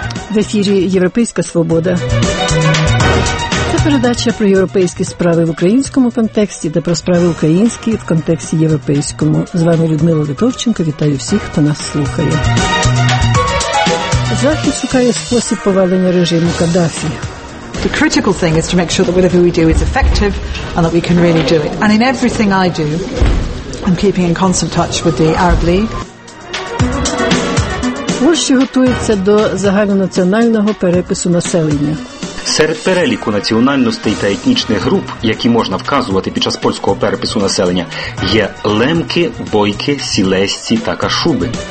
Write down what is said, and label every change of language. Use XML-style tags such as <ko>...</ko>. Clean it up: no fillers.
<uk>В ефірі «Європейська свобода». Це передача про європейські справи в українському контексті та про справи українські в контексті європейському. З вами Людмила Литовченко. Вітаю всіх, хто нас слухає. Захід шукає спосіб повалення режиму Каддафі.</uk> <en>The critical thing is to make sure that whatever we do is effective and that we can really do it. And in everything I do, I'm keeping in constant touch with the Arab League.</en> <uk>Польща готується до загальнонаціонального перепису населення. Серед переліку національностей та етнічних груп, які можна вказувати під час польського перепису населення, є лемки, бойки, сілесці та кашуби.</uk>